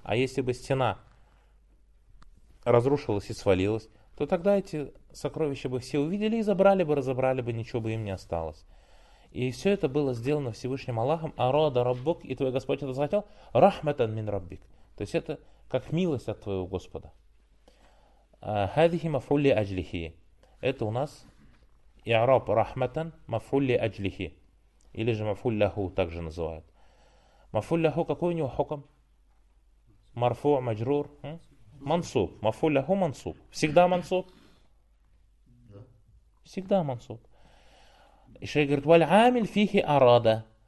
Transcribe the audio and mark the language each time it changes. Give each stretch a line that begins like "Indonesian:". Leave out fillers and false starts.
Russian: а если бы стена разрушилась и свалилась, то тогда эти сокровища бы все увидели и забрали бы, разобрали бы, ничего бы им не осталось. И все это было сделано Всевышним Аллахом.
Arabic: أَرَادَ رَبُّكْ
Russian: и твой Господь это захотел.
Arabic: رَحْمَةً مِنْ رَبِّكْ
Russian: то есть это как милость от твоего Господа.
Arabic: هذه مفعول لأجله.
Russian: Это у нас
Arabic: إعراب رحمة مفعول لأجله.
Russian: Или же مفعول له также называют. مفعول له какой у него حكم?
Arabic: مرفوع مجرور. منصوب. مفعول له منصوب.
Russian: Всегда منصوب? Всегда منصوب. И шейх говорит,
Arabic: والعامل فيه أراد.